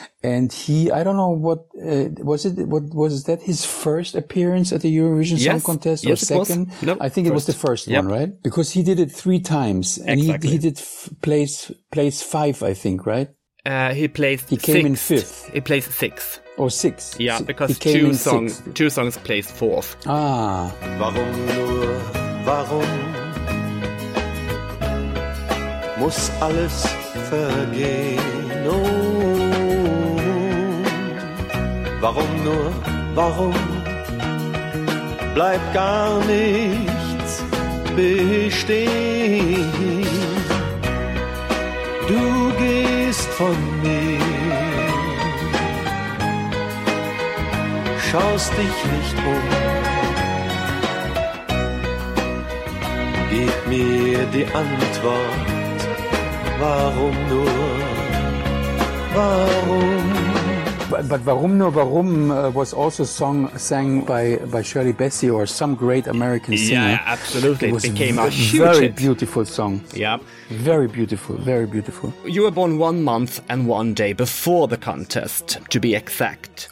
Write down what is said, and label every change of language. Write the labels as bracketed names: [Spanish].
[English] And he, I don't know what, was it, what was that his first appearance at the Eurovision Song Contest or second? Nope. I think first. It was the first one, right? Because he did it three times. Exactly. And he did place five, I think, right? He came sixth. In fifth. He placed sixth. Oh, six. Yeah, because two songs placed fourth. Ah. [German] Warum nur, warum muss alles vergehen? Oh, warum nur, warum bleibt gar nichts bestehen? Du gehst von mir, schaust dich nicht um, gib mir die Antwort, warum nur, warum? [English] But Warum Nur Warum was also sang by Shirley Bassey or some great American singer. Yeah, absolutely. It became a huge very hit. Beautiful song. Yeah. Very beautiful, very beautiful. You were born 1 month and 1 day before the contest, to be exact.